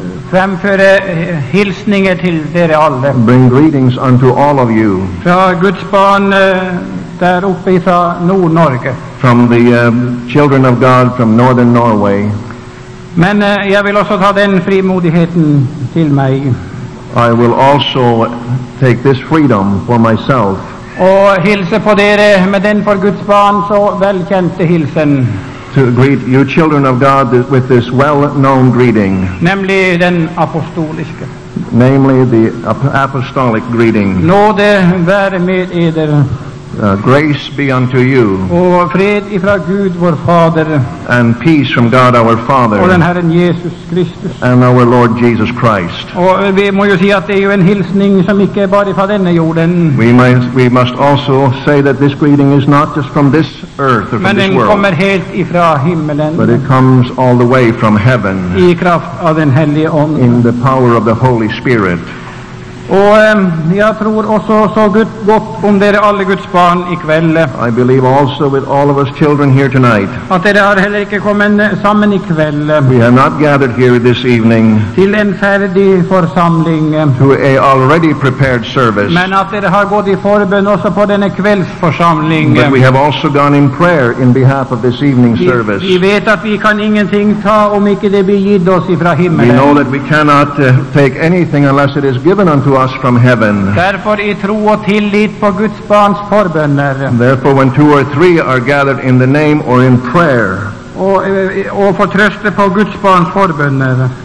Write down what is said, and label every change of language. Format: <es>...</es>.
<sv>framföra hilsningar till er alla.</sv> <en>Bring greetings unto all of you.</en> <sv>Från Guds barn där uppe I Nord-Norge.</sv> <en>From the children of God from northern Norway.</en> <sv>Men jag vill också ta den frimodigheten till mig.</sv> <en>I will also take this freedom for myself.</en> <sv>Och hilsa på er med den för Guds barn så välkända hilsen.</sv> <en>To greet you children of God with this well-known greeting.</en> <sv>Nämligen den apostoliska.</sv> <en>Namely the apostolic greeting.</en> <sv>Nåde vare med eder.</sv> <en>Grace be unto you.</en> <sv>Och fred ifrån Gud vår fader.</sv> <en>And peace from God our Father.</en> <sv>Och den Herren Jesus Kristus.</sv> <en>And our Lord Jesus Christ.</en> <sv>Och vi må ju säga att det är ju en hilsning som icke är bara ifrån denna jorden.</sv> <en>We must also say that this greeting is not just from this earth or from</en> <sv>Men den kommer helt ifrån himmelen.</sv> <en>But it comes all the way from heaven.</en> <sv>I kraft av den helige ande.</sv> <en>In the power of the Holy Spirit.</en> <sv>Och jag tror också så gott om det är alla Guds barn ikväll.</sv> <en>I believe also with all of us children here tonight.</en> <sv>Att det har heller inte kommit samman ikväll.</sv> <en>We have not gathered here this evening.</en> <sv>Till en färdig församling.</sv> <en>To a already prepared service.</en> <sv>Men att det har gått i förbön också på denna kvällsförsamling.</sv> <en>But we have also gone in prayer in behalf of this evening service.</en> <sv>Vi vet att vi kan ingenting ta om icke det blir gitt oss ifrån himmelen.</sv> <en>We know that we cannot take anything unless it is given unto us from heaven.</en> <sv>Därför i tro och tillit på Guds barns förböner.</sv> <en>Therefore when two or three are gathered in the name or in prayer.</en> <sv>Och för tröste på Guds barns förböner.</sv>